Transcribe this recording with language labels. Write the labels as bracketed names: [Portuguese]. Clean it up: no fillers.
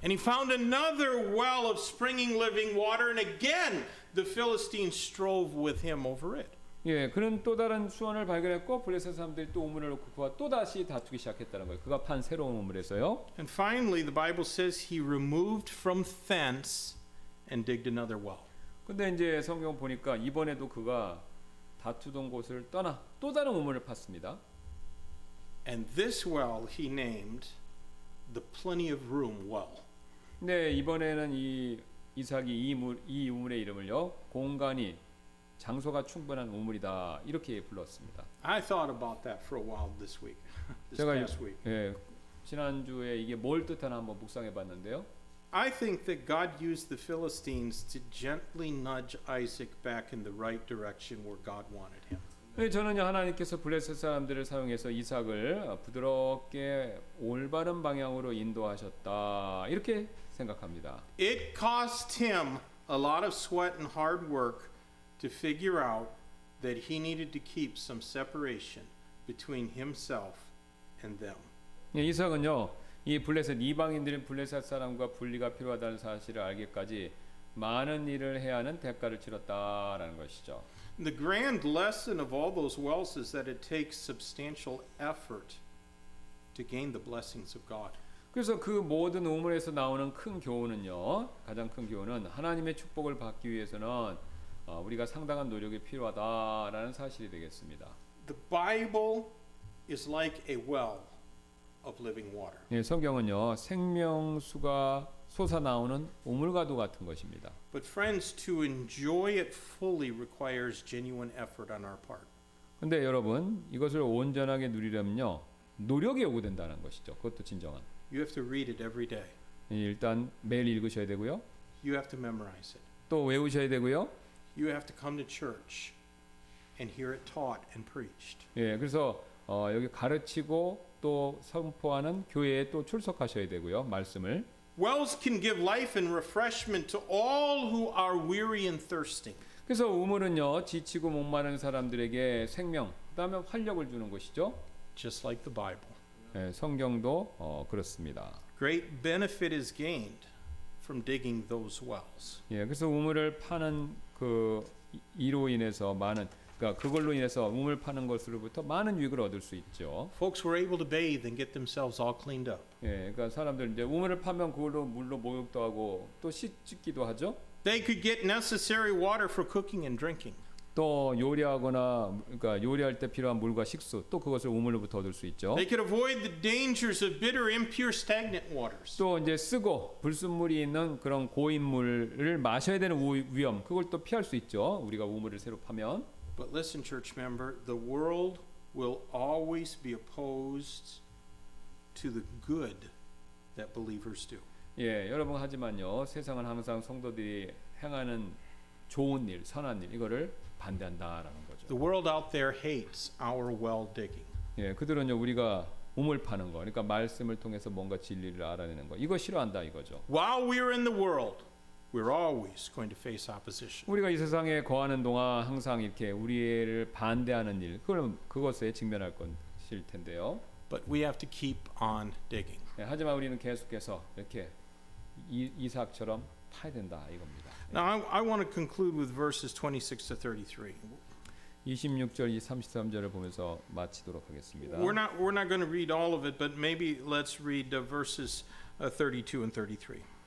[English] And he found another well of springing living water, and again the Philistines strove with him over it. [Korean] 예, 그는 또 다른 수원을 발견했고 블레셋 사람들이 또 우물을 놓고 그와 또 다시 다투기 시작했다는 거예요. 그가 판 새로운 우물에서요. [English] And finally, the Bible says he removed from thence and digged another well. [Korean] 근데 이제 성경 보니까 이번에도 그가 다투던 곳을 떠나 또 다른 우물을 팠습니다. [English] And this well he named the Plenty of Room Well. [Korean] 네, 이번에는 이 이삭이 이 우물의 이름을요 공간이 장소가 충분한 우물이다 이렇게 불렀습니다. [English] I thought about that for a while this week. This past week. [Korean] 예, 지난주에 이게 뭘 뜻하나 한번 묵상해 봤는데요. [English] I think that God used the Philistines to gently nudge Isaac back in the right direction where God wanted him. [Korean] 예, 저는요 하나님께서 블레셋 사람들을 사용해서 이삭을 부드럽게 올바른 방향으로 인도하셨다 이렇게 생각합니다. [English] It cost him a lot of sweat and hard work. To figure out that he needed to keep some separation between himself and them. [Korean] 예, 이삭은요, 이 블레셋 이방인들인 블레셋 사람과 분리가 필요하다는 사실을 알기까지 많은 일을 해야 하는 대가를 치렀다라는 것이죠. [English] The grand lesson of all those wells is that it takes substantial effort to gain the blessings of God. [Korean] 그래서 그 모든 우물에서 나오는 큰 교훈은요, 가장 큰 교훈은 하나님의 축복을 받기 위해서는 우리가 상당한 노력이 필요하다라는 사실이 되겠습니다. [English] The Bible is like a well of living water. [Korean] 예, 성경은요 생명수가 솟아 나오는 우물과도 같은 것입니다. [English] But friends, to enjoy it fully requires genuine effort on our part. [Korean] 근데 여러분 이것을 온전하게 누리려면요 노력이 요구된다는 것이죠. 그것도 진정한. [English] You have to read it every day. [Korean] 일단 매일 읽으셔야 되고요. [English] You have to memorize it. [Korean] 또 외우셔야 되고요. [English] You have to come to church and hear it taught and preached. [Korean] 예, 그래서 여기 가르치고 또 선포하는 교회에 또 출석하셔야 되고요. 말씀을. [English] Wells can give life and refreshment to all who are weary and thirsting. [Korean] 그래서 우물은요 지치고 목마른 사람들에게 생명, 그다음에 활력을 주는 것이죠. [English] Just like the Bible. [Korean] 네, 성경도 그렇습니다. [English] Great benefit is gained from digging those wells. [Korean] 예, 그래서 우물을 파는 그 이로 인해서 많은, 그러니까 그걸로 인해서 우물 파는 것으로부터 많은 유익을 얻을 수 있죠. [English] Folks were able to bathe and get themselves all cleaned up. [Korean] 예, 그러니까 사람들 이제 우물을 파면 그걸로 물로 목욕도 하고 또 씻기도 하죠. [English] They could get necessary water for cooking and drinking. [Korean] 또 요리하거나 그러니까 요리할 때 필요한 물과 식수 또 그것을 우물로부터 얻을 수 있죠. [English] They could avoid the dangers of bitter, impure, stagnant waters. [Korean] 또 이제 쓰고 불순물이 있는 그런 고인 물을 마셔야 되는 위험 그걸 또 피할 수 있죠. 우리가 우물을 새로 파면. [English] But listen, church member, the world will always be opposed to the good that believers do. [Korean] 예, 여러분 하지만요. 세상은 항상 성도들이 행하는 좋은 일, 선한 일 이거를 반대한다라는 거죠. [English] The world out there hates our well digging. [Korean] 예, 그들은요. 우리가 우물 파는 거. 그러니까 말씀을 통해서 뭔가 진리를 알아내는 거. 이거 싫어한다 이거죠. [English] While we are in the world, we're always going to face opposition. [Korean] 우리가 이 세상에 거하는 동안 항상 이렇게 우리를 반대하는 일, 그럼 그것에 직면할 것일 텐데요. [English] But we have to keep on digging. [Korean] 예, 하지만 우리는 계속해서 이렇게 이삭처럼 파야 된다 이겁니다. 예. [English] Now I want to conclude with verses 26 to 33. [Korean] 26절 33절을 보면서 마치도록 하겠습니다. [English] We're not going to read all of it, but maybe let's read the verses 32 and 33.